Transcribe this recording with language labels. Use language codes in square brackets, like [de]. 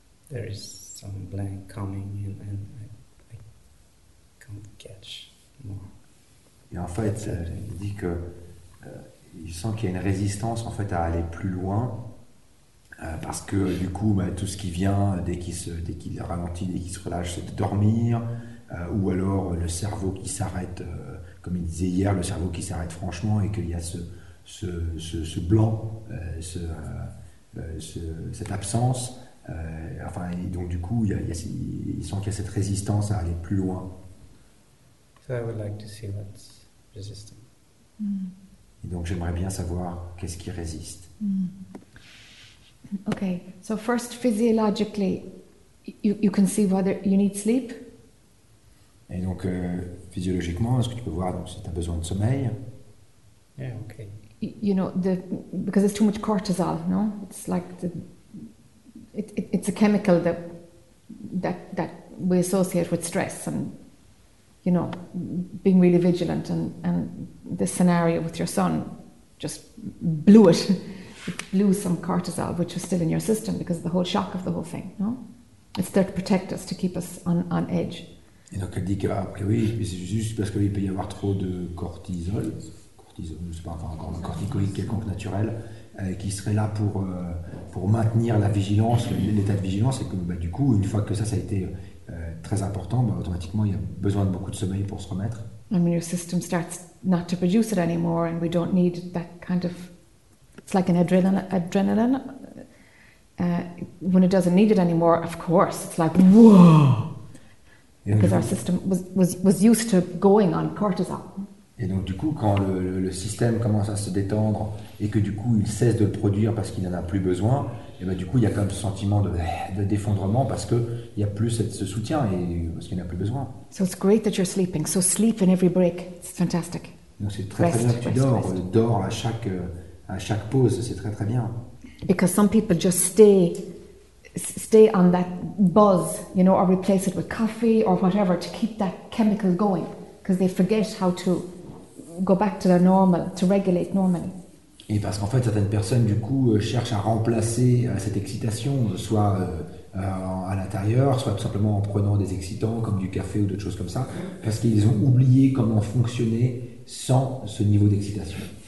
[en] there is some blank coming in and I can't catch more. [fr] Et en fait, il dit que il sent qu'il y a une résistance en fait à aller plus loin parce que du coup, tout ce qui vient dès qu'il ralentit, dès qu'il se relâche, c'est de dormir ou alors le cerveau qui s'arrête, comme il disait hier, le cerveau qui s'arrête franchement et qu'il y a ce blanc, cette absence. Il sent qu'il y a cette résistance à aller plus loin. [en] So I would like to see what's resisting. [fr] Et donc j'aimerais bien savoir qu'est-ce qui résiste. [en] Okay, so first physiologically, you can see whether you need sleep. [fr] Et donc physiologiquement, est-ce que tu peux voir donc si tu as besoin de sommeil? [en] Yeah, okay. You know because it's too much cortisol, no? It's like the It's a chemical that we associate with stress and, you know, being really vigilant and this scenario with your son just blew it. It blew some cortisol, which was still in your system because of the whole shock of the whole thing, no? It's there to protect us, to keep us on edge. [fr] Et donc elle dit que après oui, mais c'est juste parce qu'il peut y avoir trop de cortisol, un corticoïde quelconque naturel, qui serait là pour maintenir la vigilance, l'état de vigilance, et que bah, du coup, une fois que ça a été très important, bah, automatiquement il y a besoin de beaucoup de sommeil pour se remettre. [en] And your system starts not to produce it anymore, and we don't need that kind of. It's like an adrenaline. When it doesn't need it anymore, of course, it's like whoa. Because our system was used to going on cortisol. [fr] Et donc du coup, quand le système commence à se détendre et que du coup il cesse de le produire parce qu'il n'en a plus besoin, et ben du coup il y a quand même ce sentiment de d'effondrement parce que il y a plus ce soutien et parce qu'il n'a plus besoin. [en] So it's great that you're sleeping. So sleep in every break. It's fantastic. [fr] Donc c'est très bien que tu dors à chaque pause. C'est très très bien. [en] Because some people just stay on that buzz, you know, or replace it with coffee or whatever to keep that chemical going, because they forget how to go back to their normal, to regulate normally. [fr] Et parce qu'en fait, certaines personnes du coup cherchent à remplacer cette excitation, soit à l'intérieur, soit tout simplement en prenant des excitants comme du café ou d'autres choses comme ça, parce qu'ils ont oublié comment fonctionner sans ce niveau d'excitation.